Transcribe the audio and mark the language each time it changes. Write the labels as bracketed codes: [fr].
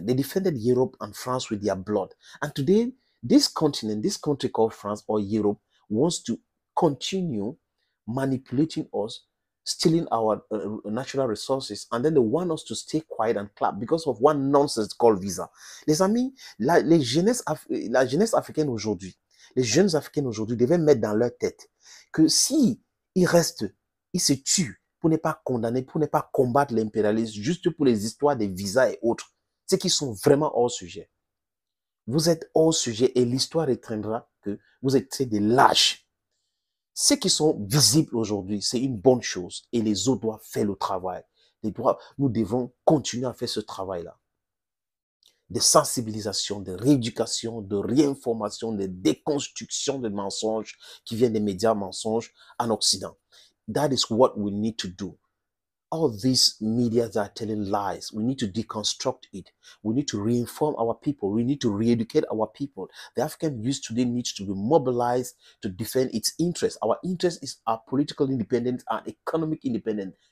[en] They defended Europe and France with their blood. And today, this continent, this country called France or Europe, wants to continue manipulating us, stealing our natural resources, and then they want us to stay quiet and clap because of one nonsense called visa. [fr] Les amis, la jeunesse africaine aujourd'hui, les jeunes africains aujourd'hui devaient mettre dans leur tête que si ils restent, ils se tuent pour ne pas condamner, pour ne pas combattre l'impérialisme, juste pour les histoires des visas et autres, c'est qu'ils sont vraiment hors sujet. Vous êtes hors sujet et l'histoire retiendra que vous êtes des lâches. Ceux qui sont visibles aujourd'hui, c'est une bonne chose et les autres doivent faire le travail. Nous devons continuer à faire ce travail-là. De sensibilisation, de rééducation, de réinformation, de déconstruction des mensonges qui viennent des médias mensonges en Occident. [en] That is what we need to do. All these media that are telling lies, we need to deconstruct it. We need to reinform our people. We need to re-educate our people. The African youth today needs to be mobilized to defend its interests. Our interest is our political independence and economic independence.